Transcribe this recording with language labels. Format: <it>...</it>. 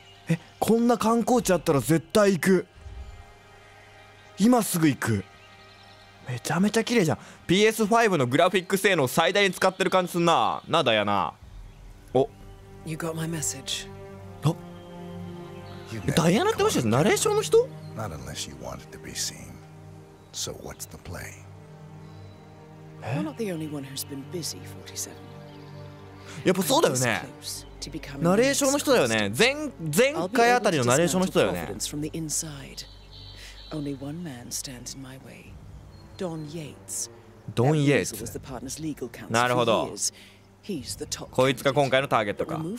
<ja>え、こんな観光地あったら絶対行く。今すぐ行く。めちゃめちゃ綺麗じゃん。 PS5 のグラフィック性能最大に使ってる感じすんな。なんだやな。お、</ja> <en>You got my message。</en> <ja>あ、ダイアナってもしかしてナレーションの人？</ja> <en>Not unless you wanted to be seen. So what's the play? You're not the only one who's been busy, 47.</en> <ja>やっぱそうだよね。ナレーションの人だよね。前回あたりのナレーションの人だよね。ドン・イエイツ。ドン・イエイツ。なるほど。こいつが今回のターゲットか。</ja>